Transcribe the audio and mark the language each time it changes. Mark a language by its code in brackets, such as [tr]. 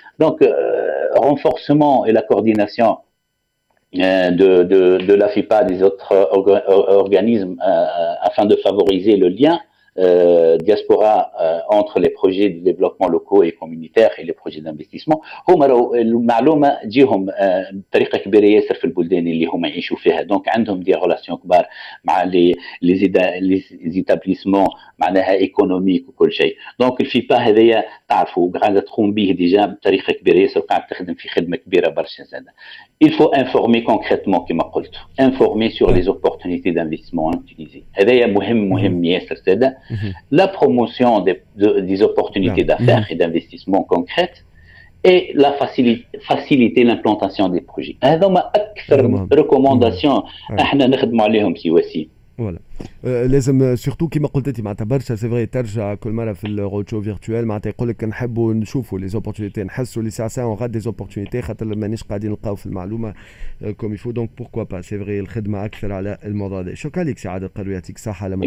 [fr] Donc, renforcement et la coordination de la FIPA des autres organismes afin de favoriser le lien diaspora entre les projets de développement locaux et communautaire et les projets d'investissement. [ar] هما لو المعلومه تجيهم بطريقه كبيره ياسر في البلدان اللي هما يعيشوا فيها، دونك عندهم [fr] دي رولاسيون [ar] كبار مع لي زيتابليسمون معناها ايكونوميك وكل شيء. دونك الفيبا هذايا تعرفوا قاعده تقوم به ديجا بطريقه كبيره ياسر، قاعده تخدم في خدمه كبيره برشا زاد. [fr] Il faut informer concrètement, comme je l'ai dit, informer sur les opportunités d'investissement en Tunisie. Et là, il y a la promotion des opportunités d'affaires et d'investissement concrètes et la faciliter l'implantation des projets. Et donc, ma recommandation, nous travaillons sur eux. [ar] فوالا لازم سورتو كيما قلت انت معناتها برشا سي فري ترجع كل مره في الرود شو فيرتوال معناتها يقول لك نحبوا نشوفوا [fr] لي زوبورتونيتي [ar] نحسوا لي ساعه اون غاد دي زوبورتونيتي خاطر مانيش قاعدين نلقاو في المعلومه [fr] كوم يفو. [ar] دونك بوركوا با سي فري الخدمه اكثر على الموضوع هذا. شكرا لك سي عاد القروي يعطيك الصحه على ما